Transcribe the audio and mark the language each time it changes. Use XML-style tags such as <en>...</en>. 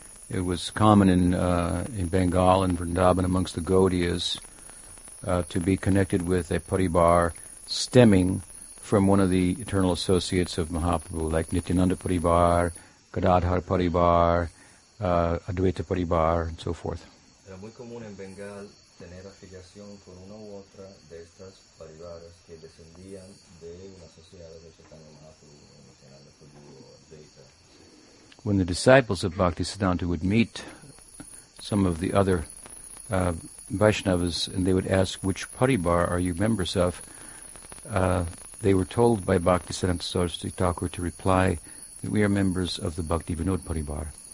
<en>It was common in Bengal and Vrindavan amongst the Gaudiyas to be connected with a paribar stemming from one of the eternal associates of Mahaprabhu, like Nityananda Paribar, Gadadhar Paribar, Advaita Paribar, and so forth.</en> <es>Era muy común en Bengal tener afiliación con una u otra de estas paribaras que descendían de una sociedad de Chaitanya Mahaprabhu, Nityananda Paribar, Advaita.</es> <en>When the disciples of Bhaktisiddhanta would meet some of the other Vaishnavas and they would ask, which paribar are you members of? They were told by Bhaktisiddhanta Saraswati Thakura to reply that we are members of the Bhakti Vinod Paribar.</en>